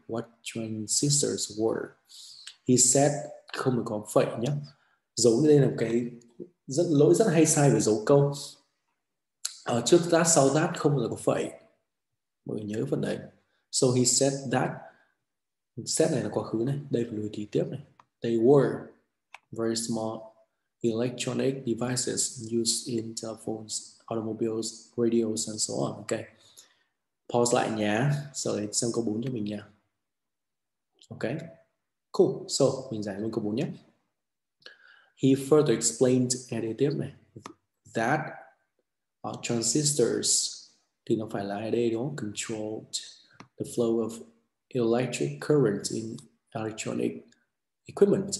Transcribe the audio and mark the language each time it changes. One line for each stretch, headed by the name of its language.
English: What transistors were, he said,
Vietnamese: không được có phẩy nhá, dấu đây là cái rất lỗi rất hay sai về dấu câu ở trước that sau that không được có phẩy, mọi người nhớ phần đấy.
English: So he said that,
Vietnamese: set này là quá khứ này, đây phải lưu ý ký tiếp này.
English: They were very small electronic devices used in telephones, automobiles, radios and so on.
Vietnamese: Ok, pause lại nhé, sau đấy xem câu 4 cho mình nha.
English: Ok, cool, so
Vietnamese: mình giải luôn câu 4 nhé.
English: He further explained,
Vietnamese: ED tiếp này,
English: that transistors
Vietnamese: thì nó phải là ED đúng không?
English: Controlled the flow of electric current in electronic equipment.